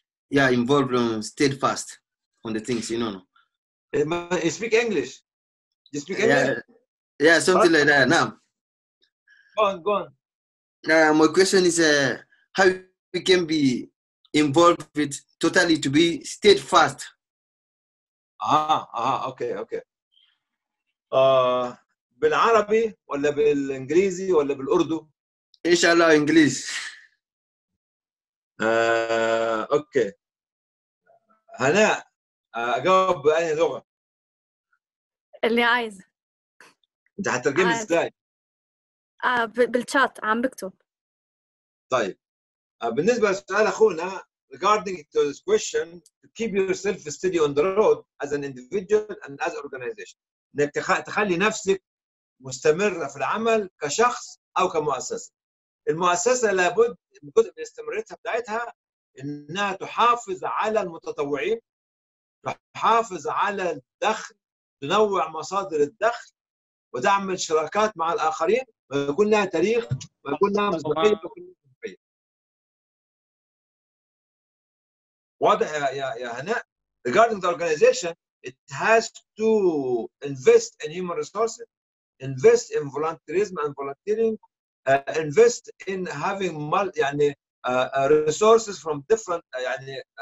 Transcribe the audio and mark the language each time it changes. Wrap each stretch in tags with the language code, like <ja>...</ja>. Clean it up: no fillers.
<en>Yeah, involved and steadfast on the things, you know. No? Speak English. You speak English? Yeah, something like that. Now. Go on. My question is how we can be involved with totally to be steadfast.</en> <ar>اوكي بالعربي ولا بالانجليزي ولا بالاردو ان شاء الله انجليزي اوكي هلا اجاوب باي لغه اللي عايز انت هترجمي ازاي بالشات عم بكتب طيب بالنسبه لسؤال اخونا</ar> <en>regarding to this question, to keep yourself steady on the road as an individual and as an organization.</en> <ar>انك تخلي نفسك مستمرة في العمل كشخص او كمؤسسة. المؤسسة لابد من جزء من استمرارتها بتاعتها انها تحافظ على المتطوعين، تحافظ على الدخل، تنوع مصادر الدخل، وتعمل شراكات مع الاخرين، ويكون لها تاريخ، ويكون لها مصداقية. واضح يا هناء</ar> <en>regarding the organization it has to invest in human resources invest in volunteerism and volunteering invest in having يعني resources from different يعني</en>